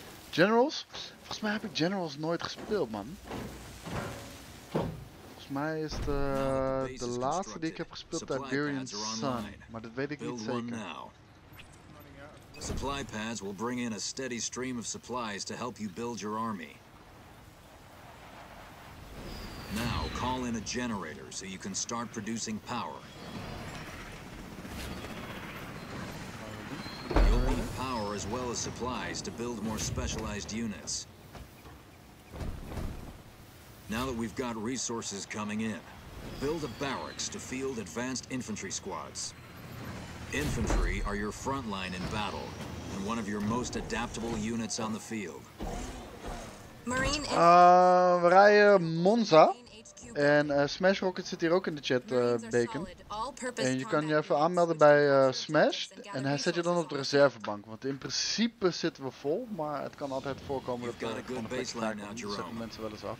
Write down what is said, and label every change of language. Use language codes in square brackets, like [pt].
[nl] Generals? Volgens mij heb ik Generals nooit gespeeld, man. Volgens mij is de laatste die ik heb gespeeld Tiberian Sun. Maar dat weet ik niet zeker. [en] Supply pads will bring in a steady stream of supplies to help you build your army. Now, call in a generator so you can start producing power. You'll need power as well as supplies to build more specialized units. Now that we've got resources coming in, build a barracks to field advanced infantry squads. Infantry are your front line in battle, and one of your most adaptable units on the field. Marine. [nl] We rijden Monza. En Smash Rocket zit hier ook in de chat, Bacon. En je kan je even aanmelden bij Smash. En hij zet je dan op de reservebank. Want in principe zitten we vol. Maar het kan altijd voorkomen dat er gewoon een beetje vaak komt. Dan zetten mensen wel eens af.